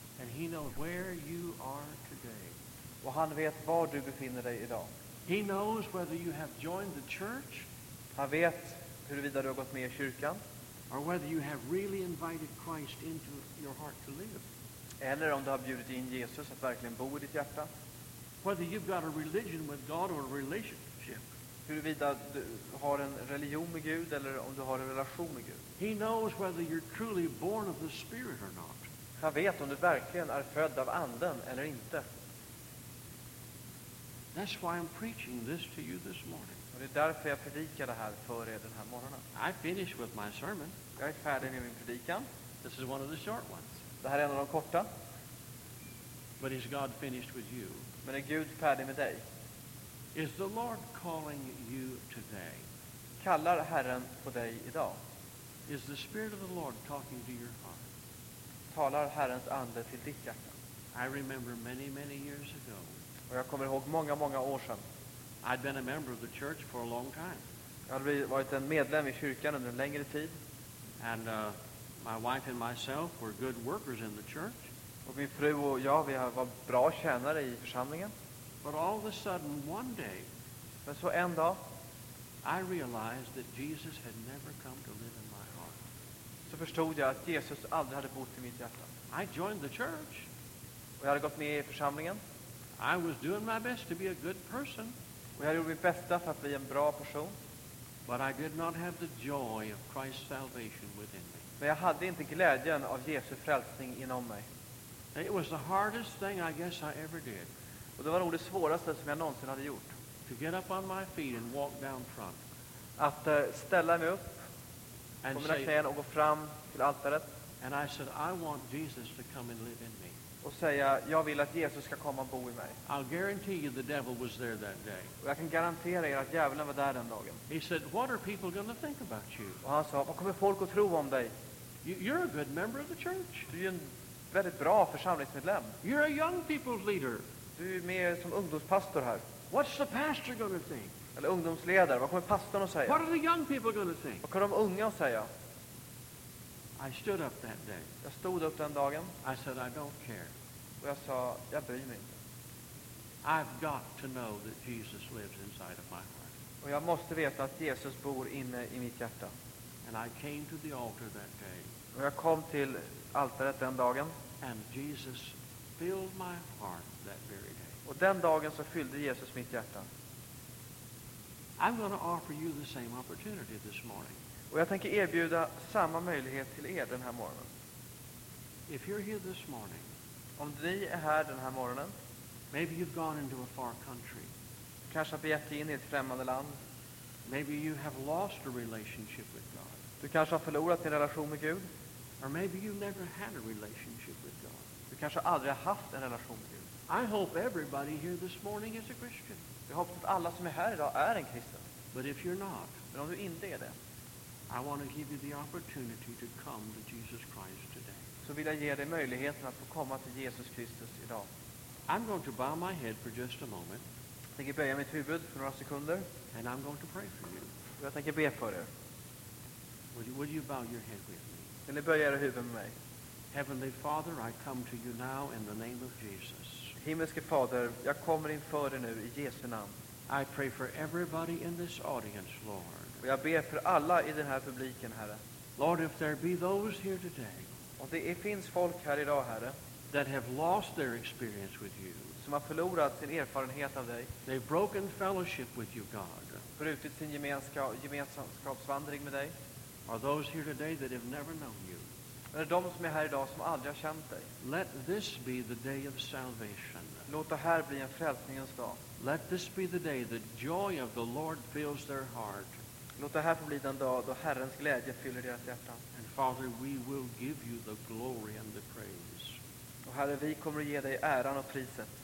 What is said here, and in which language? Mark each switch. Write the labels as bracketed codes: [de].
[en] And he knows where you are today. [sv] Och han vet var du befinner dig idag. [en] He knows whether you have joined the church. [sv] Han vet huruvida du har gått med i kyrkan. [en] Or whether you have really invited Christ into your heart to live. [sv] Eller om du har bjudit in Jesus att verkligen bo i ditt hjärta. [en] Whether you've got a religion with God or a relationship. [sv] Huruvida du har en religion med Gud eller om du har en relation med Gud. [en] He knows whether you're truly born of the Spirit or not. [sv] Han vet om du verkligen är född av anden eller inte. [en] That's why I'm preaching this to you this morning. [sv] Och det är därför jag predikar det här för er den här morgonen. [en] I finished with my sermon. [sv] Jag är färdig med min predikan. [en] This is one of the short ones. [sv] Det här är en av de korta. [en] But is God finished with you? [sv] Men är Gud färdig med dig? [en] Is the Lord calling you today? [sv] Kallar Herren på dig idag? [en] Is the Spirit of the Lord talking to your heart? [sv] Talar Herrens ande till ditt hjärta? [en] I remember many, many years ago. [sv] Och jag kommer ihåg många, många år sedan. [en] I'd been a member of the church for a long time. [sv] Jag hade varit en medlem i kyrkan under en längre tid. [en] And my wife and myself were good workers in the church. [sv] Och min fru och jag, vi var bra tjänare i församlingen. [en] But all of a sudden, one day, [sv] men så en dag, [en] I realized that Jesus had never come to live in my heart. [sv] Så förstod jag att Jesus aldrig hade bott i mitt hjärta. [en] I joined the church. [sv] Och jag hade gått med i församlingen. [en] I was doing my best to be a good person. [sv] Och jag gjorde mitt bästa för att bli en bra person. [en] But I did not have the joy of Christ's salvation within me. [sv] Men jag hade inte glädjen av Jesu frälsning inom mig. [en] It was the hardest thing I guess I ever did. [sv] Och det var nog det svåraste som jag någonsin hade gjort. [en] To get up on my feet and walk down front. [sv] Att ställa mig upp på mina knän och gå fram till altaret. [en] And I said, I want Jesus to come and live in me. [sv] Och säga, jag vill att Jesus ska komma och bo i mig. [en] I'll guarantee you the devil was there that day. [sv] Och jag kan garantera er att djävulen var där den dagen. [en] He said, what are people going to think about you? [sv] Och han sa, vad kommer folk att tro om dig? [en] You're a good member of the church. [sv] Du är en väldigt bra församlingsmedlem. [en] You're a young people's leader. [sv] Du är med som ungdomspastor här. [en] What's the pastor going to think? [sv] Eller ungdomsledare, vad kommer pastorn att säga? [en] What are the young people going to think? [sv] Vad kommer de unga att säga? [en] I stood up that day. [sv] Jag stod upp den dagen. [en] I said, I don't care. [sv] Och jag sa, jag bryr mig inte. [en] I've got to know that Jesus lives inside of my heart. [sv] Och jag måste veta att Jesus bor inne i mitt hjärta. [en] And I came to the altar that day. [sv] Och jag kom till altaret den dagen. [en] And Jesus filled my heart that very day. [sv] Och den dagen så fyllde Jesus mitt hjärta. [en] I'm going to offer you the same opportunity this morning. [sv] Och jag tänker erbjuda samma möjlighet till er den här morgonen. [en] If you're here this morning, [sv] om ni är här den här morgonen, [en] maybe you've gone into a far country. [sv] Kanske har begett in i ett främmande land. [en] Maybe you have lost a relationship with God. [sv] Du kanske har förlorat din relation med Gud. [en] Or maybe you've never had a relationship with God. [sv] Du kanske aldrig har haft en relation med Gud. [en] I hope everybody here this morning is a Christian. [sv] Jag hoppas att alla som är här idag är en kristen. [en] But if you're not, [sv] men om du inte är det, [en] I want to give you the opportunity to come to Jesus Christ today. [sv] Så vill jag ge dig möjligheten att få komma till Jesus Kristus idag. [en] I'm going to bow my head for just a moment. [sv] Jag tänker böja mitt huvud för några sekunder. [en] And I'm going to pray for you. [sv] Jag tänker be för dig. [en] Will you bow your head with me? [sv] Vill du böja ditt huvud med mig? [en] Heavenly Father, I come to you now in the name of Jesus. [sv] Himmelske Fader, jag kommer inför dig nu i Jesu namn. [en] I pray for everybody in this audience, Lord. [sv] Och jag ber för alla i den här publiken, Herre. [en] Lord, if there be those here today, [sv] och det finns folk här idag, Herre, [en] that have lost their experience with you, [sv] som har förlorat sin erfarenhet av dig, [en] they've broken fellowship with you, God, [sv] brutit sin gemenskapsvandring med dig, [en] are those here today that have never known you, [sv] Är de som är här idag som aldrig har känt dig? [en] Let this be the day of salvation. [sv] Låt det här bli en frälsningens dag. [en] Let this be the day the joy of the Lord fills their heart. [sv] Låt det här få bli den dag då Herrens glädje fyller deras hjärta. [en] And Father, we will give you the glory and the praise. [sv] Och Herre, vi kommer att ge dig äran och priset.